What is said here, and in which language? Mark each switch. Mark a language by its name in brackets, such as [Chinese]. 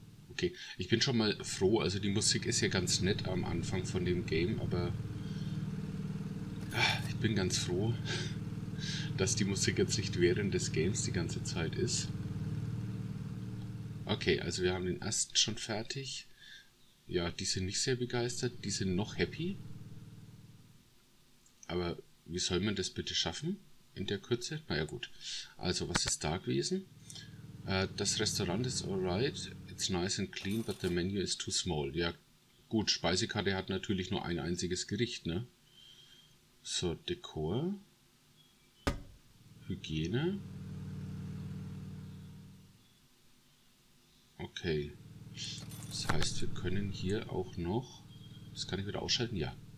[German] Okay, ich bin schon mal froh. Also die Musik ist ja ganz nett am Anfang von dem Game, aber ich bin ganz froh, dass die Musik jetzt nicht während des Games die ganze Zeit ist. Okay, also wir haben den ersten schon fertig. Ja, die sind nicht sehr begeistert, die sind noch happy. Aber wie soll man das bitte schaffen in der Kürze? Na ja gut. Also, was ist da gewesen? Das Restaurant ist alright. [English] It's nice and clean, but the menu is too small. [German] Ja, gut, Speisekarte hat natürlich nur ein einziges Gericht, ne? So, Dekor. Hygiene. Okay. Das heißt, wir können hier auch noch. Das kann ich wieder ausschalten? Ja.